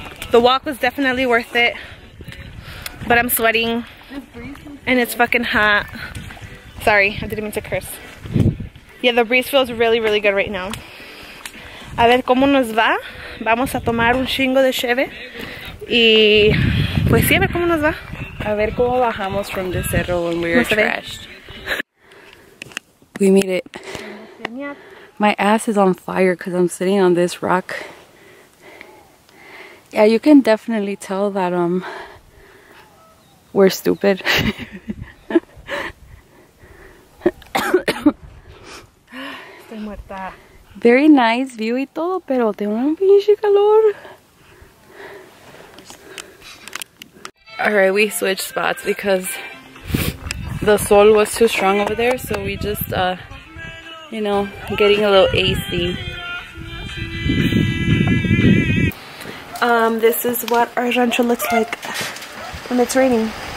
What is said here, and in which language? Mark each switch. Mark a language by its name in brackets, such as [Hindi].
[English] The walk was definitely worth it, but I'm sweating. And it's fucking hot. Sorry, I didn't mean to curse. Yeah, the breeze feels really, really good right now. [Spanish] A ver cómo nos va. Vamos a tomar un chingo de cheve. Y pues sí, a ver cómo nos va. A ver cómo bajamos [English] from this cerro when we are trashed. We made it. My ass is on fire because I'm sitting on this rock. Yeah, you can definitely tell that, we're stupid. [Spanish] muerta. [English] Very nice view [Spanish] y todo, pero tengo un pinche calor. [English] Alright, we switched spots because the sol was too strong over there, so we just, you know, getting a little AC. This is what our rancho looks like when it's raining.